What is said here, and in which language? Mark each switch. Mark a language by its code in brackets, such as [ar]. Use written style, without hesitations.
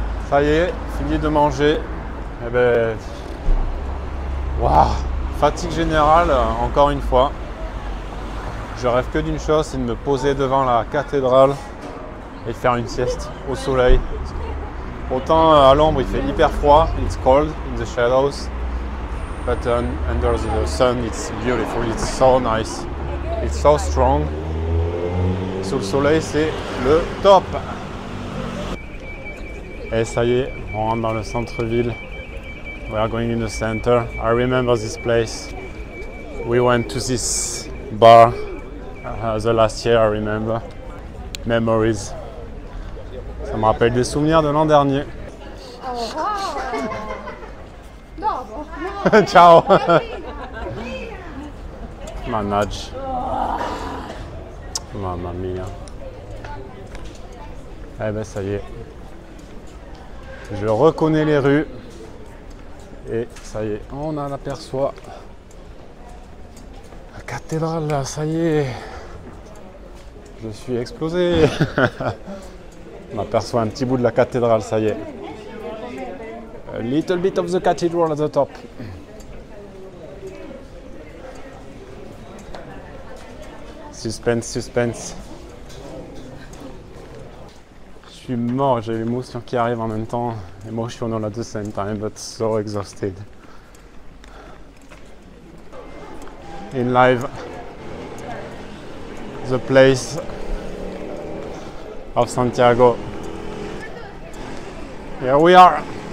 [fr] Ça y est, fini de manger. Eh ben, waouh, fatigue générale, encore une fois. Je je rêve que d'une chose, c'est de me poser devant la cathédrale et de faire une sieste au soleil. Autant à l'ombre, il fait hyper froid, [en] it's cold in the shadows, but under the sun, it's beautiful, it's so nice, it's so strong. [fr] Sous le soleil, c'est le top. Et ça y est, on rentre dans le centre-ville. [en] We are going in the center. I remember this place. We went to this bar the last year, I remember. Memories. [fr] Ça me rappelle des souvenirs de l'an dernier. [it] Ciao. Manage. Mamma mia. [fr] Eh ben ça y est. Je reconnais les rues. Et ça y est, on en aperçoit. La cathédrale là, ça y est. Je suis explosé. On aperçoit un petit bout de la cathédrale, ça y est. [en] A little bit of the cathedral at the top. [fr] Suspense, suspense. Je suis mort, j'ai l'émotion qui arrive en même temps. [en] Emotional at the same time, but so exhausted. In life, the place of Santiago. Here we are.